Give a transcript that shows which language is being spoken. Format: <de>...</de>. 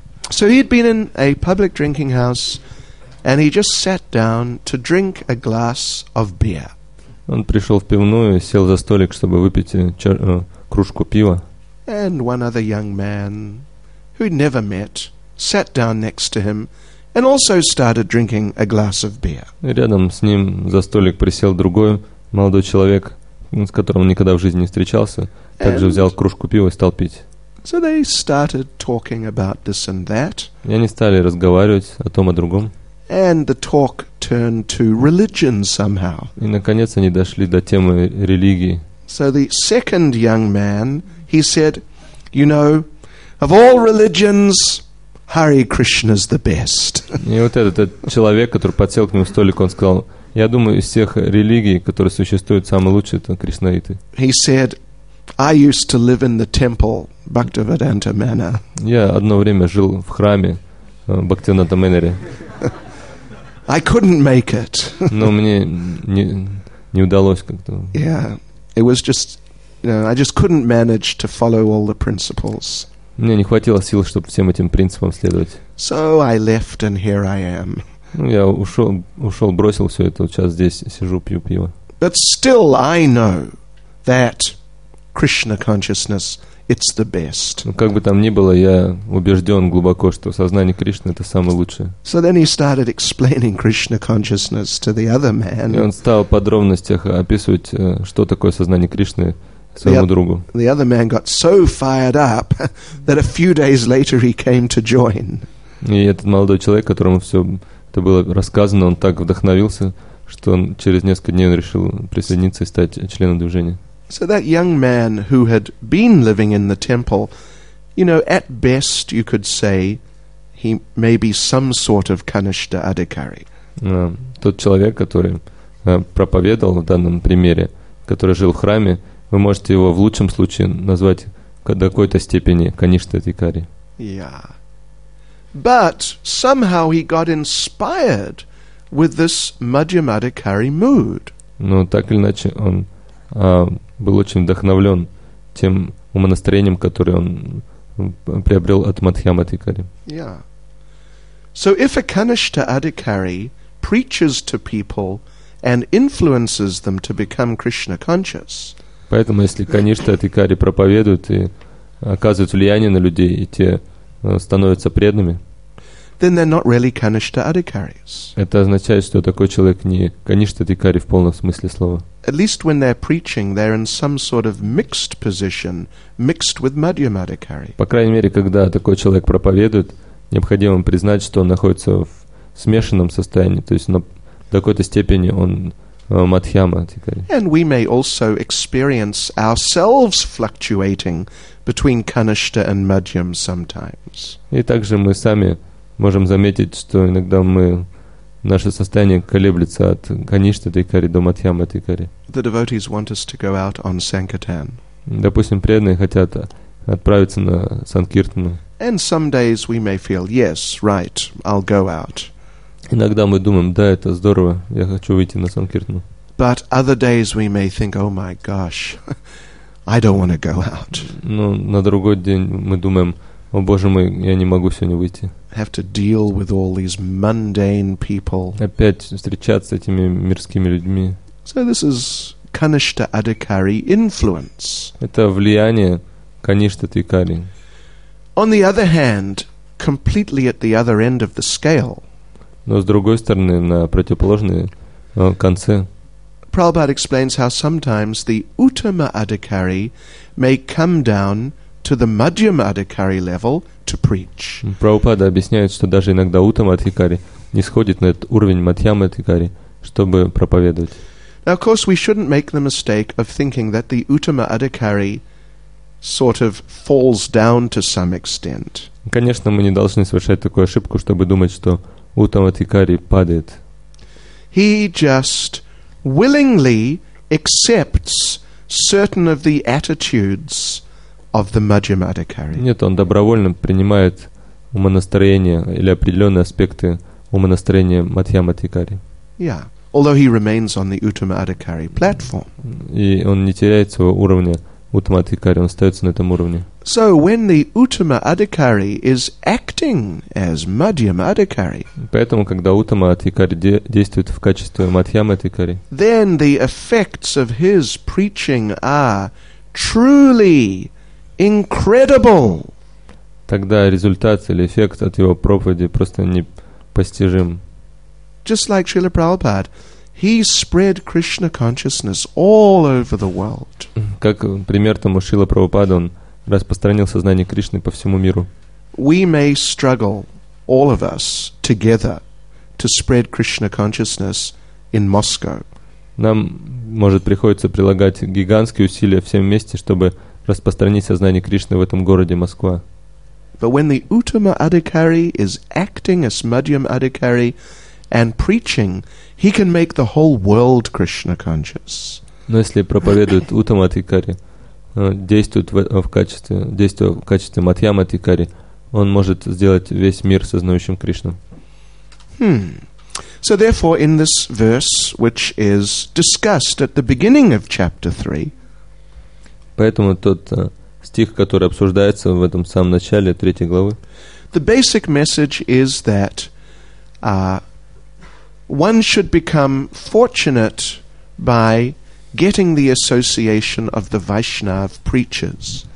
<en>So he'd been in a public drinking house and he just sat down to drink a glass of beer.</en> <ru>Он пришел в пивную, сел за столик, чтобы выпить кружку пива.</ru> <en>And one other young man, who'd never met, sat down next to him and also started drinking a glass of beer.</en> <ru>И рядом с ним за столик присел другой молодой человек, с которым он никогда в жизни не встречался, также взял кружку пива и стал пить.</ru> <en>So they started talking about this and that.</en> <ru>И они стали разговаривать о том, о другом.</ru> <en>And the talk turned to religion somehow.</en> <ru>И наконец они дошли до темы религии.</ru> <en>So the second young man, he said, "You know, of all religions, Hare Krishna is the best."</en> <ru>И вот этот человек, который подсел к нему в столик, он сказал: "Я думаю, из всех религий, которые существуют, самый лучший — это кришнаиты."</ru> <en>He said, "I used to live in the temple, Bhaktivedanta Manor."</en> <ru>Я одно время жил в храме Бхактивинанта Мэннери.</ru> <en>I couldn't make it.</en> <ru>Но мне не удалось как-то.</ru> <en>Yeah, it was just, you know, I just couldn't manage to follow all the principles.</en> <ru>Мне не хватило сил, чтобы всем этим принципам следовать.</ru> <en>So I left and here I am.</en> <ru>Ну, я ушел, бросил все это, вот сейчас здесь сижу, пью пиво.</ru> <en>But still I know that Krishna consciousness, it's the best.</en> <ru>Ну, как бы там ни было, я убежден глубоко, что сознание Кришны — это самое лучшее.</ru> <en>So then he started explaining Krishna consciousness to the other man.</en> <ru>И он стал в подробностях описывать, что такое сознание Кришны, своему другу.</ru> <en>The other man got so fired up that a few days later he came to join.</en> <ru>И этот молодой человек, которому все это было рассказано, он так вдохновился, что он через несколько дней он решил присоединиться и стать членом движения.</ru> <en>So that young man who had been living in the temple, you know, at best you could say he may be some sort of Kanishta Adhikari.</en> <ru>Тот человек, который проповедовал в данном примере, который жил в храме, вы можете его в лучшем случае назвать до какой-то степени Каништа Адхикари.</ru> <en>Yeah. But somehow he got inspired with this Madhyamadhikari mood.</en> <ru>Но так или иначе он был очень вдохновлен тем умонастроением, которое он приобрел от Мадхьямадхикари.</ru> <en>Yeah. So if a Kanishta Adhikari preaches to people and influences them to become Krishna conscious.</en> <ru>Поэтому, если Каништа Адхикари проповедует и оказывает влияние на людей, и те становятся преданными,</ru> <en>then they're not really Kanishta Adhikaris.</en> <ru>Это означает, что такой человек не Каништа Адхикари в полном смысле слова.</ru> <en>At least when they're preaching, they're in some sort of mixed position, mixed with Madhyam Adhikari.</en> <ru>По крайней мере, когда такой человек проповедует, необходимо признать, что он находится в смешанном состоянии, то есть до какой-то степени он Мадхьяма Адхикари.</ru> <en>And we may also experience ourselves fluctuating between Kanishta and Madhyam sometimes.</en> <ru>И также мы сами можем заметить, что иногда наше состояние колеблется от Каништа Адхикари до Мадхьяма Адхикари.</ru> <en>The devotees want us to go out on Sankirtan.</en> <ru>Допустим, преданные хотят отправиться на Санкиртану.</ru> <en>And some days we may feel, yes, right, I'll go out.</en> <ru>Иногда мы думаем: да, это здорово, я хочу выйти на Санкиртану.</ru> <en>But other days we may think, oh my gosh, I don't want to go out.</en> <ru>Ну, на другой день мы думаем, о боже мой, я не могу сегодня выйти.</ru> <en>Have to deal with all these mundane people.</en> <ru>Опять встречаться с этими мирскими людьми.</ru> <en>So this is Kanishta Adhikari influence.</en> <ru>Это влияние Каништа Адхикари.</ru> <en>On the other hand, completely at the other end of the scale.</en> <ru>Но с другой стороны, на противоположной конце.</ru> <en>Prabhupada explains how sometimes the Uttama Adhikari may come down to the Madhyama Adhikari level to preach.</en> <ru>Prabhupada объясняет, что даже иногда Uttama Adhikari не сходит на этот уровень Madhyama Adhikari, чтобы проповедовать.</ru> <en>Now, of course, we shouldn't make the mistake of thinking that the Uttama Adhikari sort of falls down to some extent.</en> <ru>Конечно, мы не должны совершать такую ошибку, чтобы думать, что Uttama Adhikari падает.</ru> <en>He just willingly accepts certain of the attitudes of the Madhyama Adhikari.</en> <ru>Нет, он добровольно принимает умонастроение или определенные аспекты умонастроения Мадхьяма Адхикари.</ru> <en>Yeah. Although he remains on the Uttama Adhikari platform.</en> <ru>И он не теряет своего уровня Uttama Adhikari, он остается на этом уровне.</ru> <en>So when the Uttama Adhikari is acting as Madhyama Adhikari,</en> <ru>поэтому когда Uttama Adhikari действует в качестве Мадхьяма Адхикари,</ru> <en>then the effects of his preaching are truly incredible.</en> <ru>Тогда результат или эффект от его проповеди просто непостижим.</ru> <en>Just like Srila Prabhupada, he spread Krishna consciousness all over the world.</en> <ru>Как пример тому Шрила Прабхупада, он распространил сознание Кришны по всему миру.</ru> <en>We may struggle, all of us, together, to spread Krishna consciousness in Moscow.</en> <ru>Нам, может, приходится прилагать гигантские усилия всем вместе, чтобы распространить сознание Кришны в этом городе Москва.</ru> <en>But when the Uttama Adhikari is acting as Madhyama Adhikari and preaching, he can make the whole world Krishna conscious.</en> <ru>Но если проповедует Uttama Adhikari, действуя в качестве Мадхьяма Адхикари, он может сделать весь мир сознающим Кришну.</ru> <en>So therefore, in this verse, which is discussed at the beginning of chapter 3,</en> <ru>поэтому тот стих, который обсуждается в этом самом начале третьей главы,</ru> <en>the basic message is that one should become fortunate by getting the association of the Vaishnav preachers.</en>